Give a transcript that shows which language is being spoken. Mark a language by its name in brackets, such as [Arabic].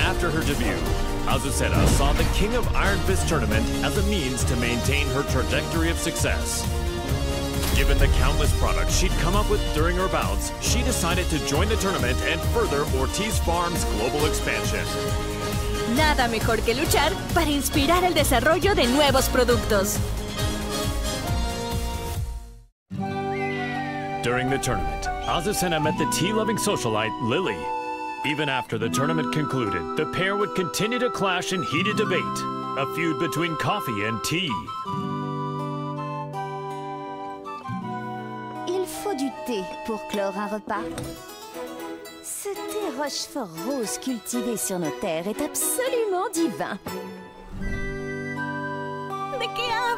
[English] After her debut, Azucena saw the King of Iron Fist tournament as a means to maintain her trajectory of success. Given the countless products she'd come up with during her bouts, she decided to join the tournament and further Ortiz Farm's global expansion. [Spanish] Nada mejor que luchar para inspirar el desarrollo de nuevos productos. [English] During the tournament, Azucena met the tea-loving socialite, Lily. Even after the tournament concluded, the pair would continue to clash in heated debate, a feud between coffee and tea. [French] Il faut du thé pour clore un repas. Ce thé Rochefort rose cultivé sur nos terres est absolument divin. De qui a